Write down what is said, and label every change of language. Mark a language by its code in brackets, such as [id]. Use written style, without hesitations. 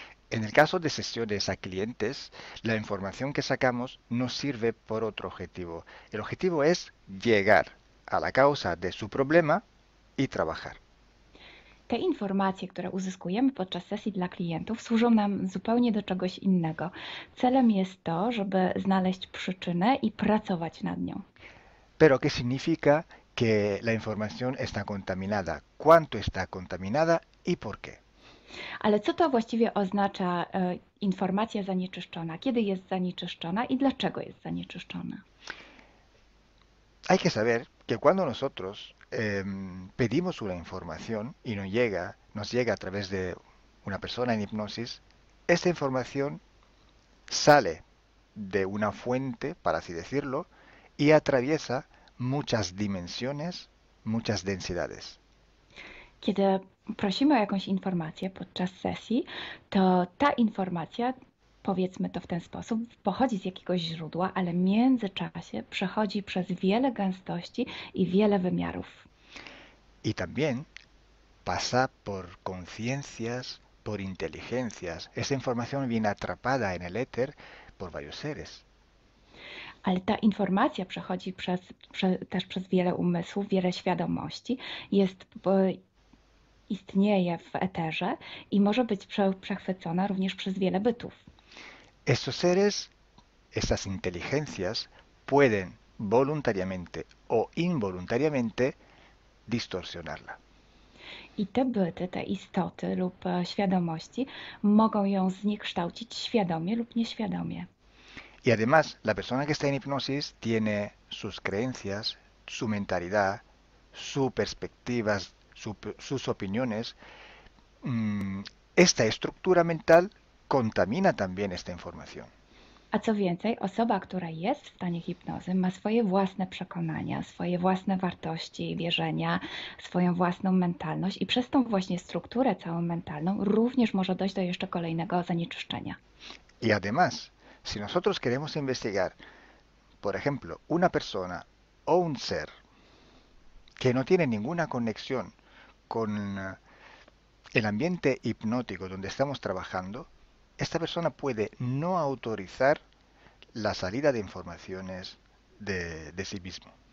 [es] En el caso de sesiones a clientes, la información que sacamos no sirve por otro objetivo. El objetivo es llegar a la causa de su problema y trabajar. [pl] Te informacje, które uzyskujemy podczas sesji dla klientów, służą nam zupełnie do czegoś innego. Celem jest to, żeby znaleźć przyczynę i pracować nad nią. [es] Pero qué significa que la información está contaminada? ¿Cuánto está contaminada y por qué? [pl] Ale co to właściwie oznacza informacja zanieczyszczona? Kiedy jest zanieczyszczona i dlaczego jest zanieczyszczona? [es] Hay que saber que cuando nosotros pedimos una información y nos llega a través de una persona en hipnosis, esta información sale de una fuente, para así decirlo, y atraviesa muchas dimensiones, muchas densidades. [pl] Kiedy prosimy o jakąś informację podczas sesji, to ta informacja, powiedzmy to w ten sposób, pochodzi z jakiegoś źródła, ale w międzyczasie przechodzi przez wiele gęstości i wiele wymiarów. [es] Y también pasa por conciencias, por inteligencias. Esa información viene atrapada en el éter por varios seres. [pl] Ale ta informacja przechodzi też przez wiele umysłów, wiele świadomości. Istnieje w eterze i może być przechwycona również przez wiele bytów. [es] Estos seres, estas inteligencias, pueden voluntariamente o involuntariamente distorsionarla. [pl] I te byty, te istoty lub świadomości mogą ją zniekształcić świadomie lub nieświadomie. [es] Y además, la persona que está en hipnosis tiene sus creencias, su mentalidad, sus perspectivas, sus opiniones. Esta estructura mental contamina también esta información. [pl] A co więcej, osoba, która jest w stanie hipnozy, ma swoje własne przekonania, swoje własne wartości, wierzenia, swoją własną mentalność i przez tą właśnie strukturę całą mentalną również może dojść do jeszcze kolejnego zanieczyszczenia. [es] Y además, si nosotros queremos investigar, por ejemplo, una persona o un ser que no tiene ninguna conexión con el ambiente hipnótico donde estamos trabajando, esta persona puede no autorizar la salida de informaciones de sí mismo.